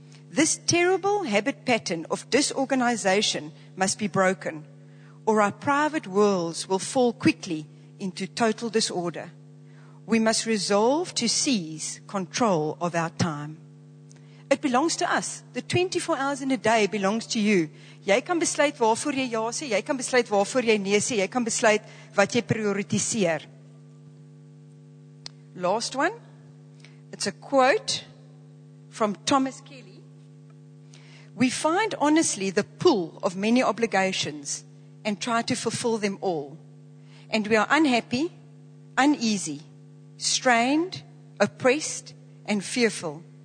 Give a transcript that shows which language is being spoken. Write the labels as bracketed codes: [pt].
[en] This terrible habit pattern of disorganization must be broken, or our private worlds will fall quickly into total disorder. We must resolve to seize control of our time. It belongs to us. The 24 hours in a day belongs to you. [af] Jy kan besluit waarvoor jy ja sê, jy kan besluit waarvoor jy nee sê, jy kan besluit wat jy prioritiseer. [en] Last one, it's a quote from Thomas Kelly. We find honestly the pull of many obligations and try to fulfill them all. And we are unhappy, uneasy, strained, oppressed, and fearful.